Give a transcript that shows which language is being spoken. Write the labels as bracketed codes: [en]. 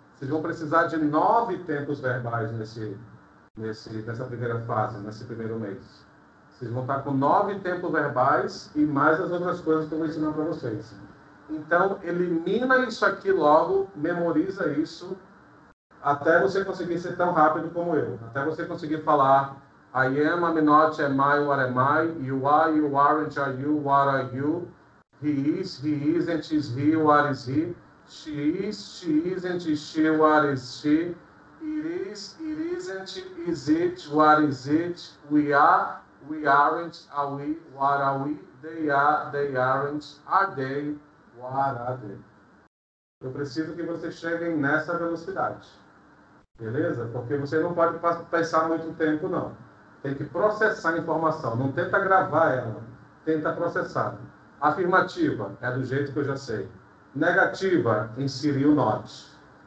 [pt] Vocês vão precisar de 9 tempos verbais nessa primeira fase, nesse primeiro mês. Vocês vão estar com 9 tempos verbais e mais as outras coisas que eu vou ensinar para vocês. Então, elimina isso aqui logo, memoriza isso, até você conseguir ser tão rápido como eu. Até você conseguir falar, [en] I am, I'm not, am I, what am I, you are, you aren't, are you, what are you, he isn't, is he, what is he, she isn't, is she, what is she, it isn't, is it, what is it, we are, we aren't, are we, what are we, they aren't, are they, what are they. [pt] Eu preciso que vocês cheguem nessa velocidade, beleza? Porque você não pode pensar muito tempo, não. Tem que processar a informação, não tenta gravar ela, tenta processar. Afirmativa, é do jeito que eu já sei. Negativa, inseriu not.